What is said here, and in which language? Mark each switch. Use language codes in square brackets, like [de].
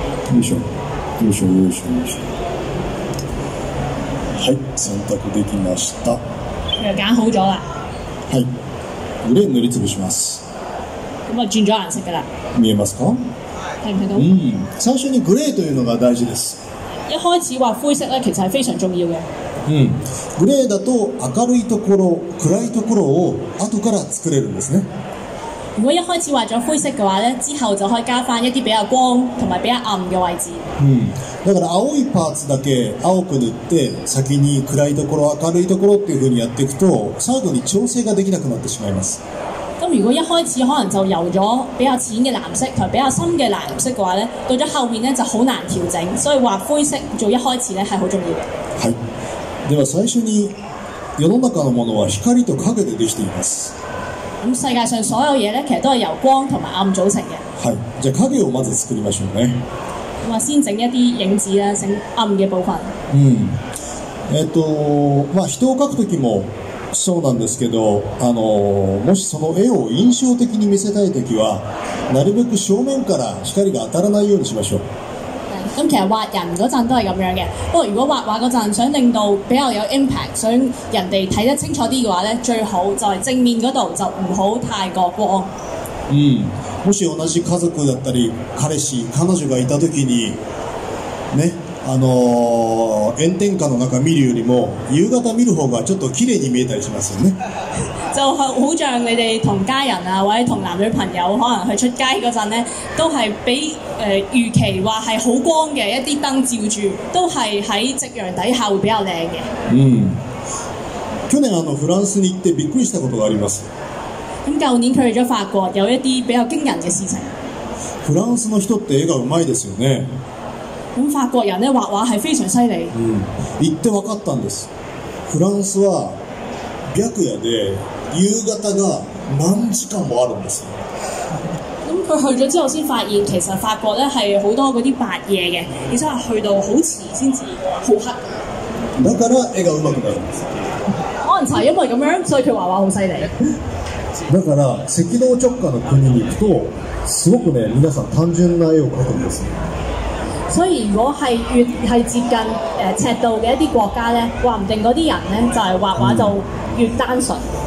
[ja] よいしょ、よいしょ、よいしょ、よいしょ。はい、選択できました。 [yue] 又揀好咗啦。 [ja] はい、グレー塗りつぶします。 [yue] 咁啊，轉咗顏色噶啦。 [ja] 見えますか？ [yue] 睇唔睇到？ [ja] うん、最初にグレーというのが大事です。 [yue] 一開始畫灰色咧，其實係非常重要嘅。 [ja] うん、グレーだと明るいところ、暗いところを後から作れるんですね。 [yue] 如果一開始畫咗灰色嘅話咧，之後就可以加翻一啲比較光同埋比較暗嘅位置。 [ja] 嗯，だから青いパーツだけ青く塗って、先に暗いところ明るいところっていう風にやっていくと、最後に調整ができなくなってしまいます。 [yue] 咁如果一開始可能就油咗比較淺嘅藍色同埋比較深嘅藍色嘅話咧，到咗後面咧就好難調整，所以畫灰色做一開始咧係好重要嘅。 [ja] はい。では最初に、世の中のものは光と影でできています。 [yue] 咁世界上所有嘢咧，其實都係由光同埋暗組成嘅。 [ja] 係，じゃあ影をまず作りましょうね。 [yue] 咁啊，先整一啲影子啦，整暗嘅部分。 [ja] 嗯，まあ人を描くときもそうなんですけど、もしその絵を印象的に見せたいときは、なるべく正面から光が当たらないようにしましょう。 [yue] 咁其實畫人嗰陣都係咁樣嘅，不過如果畫畫嗰陣想令到比較有 impact， 想人哋睇得清楚啲嘅話咧，最好就係正面嗰度就唔好太過光。 [ja] 嗯，もし同じ家族だったり彼氏彼女がいた時に、ね、炎天下の中見るよりも夕方見る方がちょっと綺麗に見えたりしますよね。 [yue] 就好像你哋同家人啊，或者同男女朋友可能去出街嗰陣咧，都係比預期話係好光嘅一啲燈照住，都係喺夕陽底下會比較靚嘅。 [ja] 嗯，去年フランスに行ってびっくりしたことがあります。 [yue] 咁舊年佢去咗法國，有一啲比較驚人嘅事情。 [ja] フランスの人って絵が上手いですよね。 [yue] 咁法國人咧畫畫係非常犀利。 [ja] 嗯，行って分かったんです。フランスは白夜で夕方が何時間もあるんです。 [yue] 咁佢去咗之後先發現，其實法國咧係好多嗰啲白夜嘅，而且去到好遲先至好黑。 [ja] だから絵が上手くなるんです。 [yue] 可能就係因為咁樣，所以佢畫畫好犀利。 [ja] だから赤道直下の国に行くと、すごくね皆さん単純な絵を描くんです。 [yue] 所以如果係越係接近赤道嘅一啲國家咧，話唔定嗰啲人咧就係畫畫就越單純。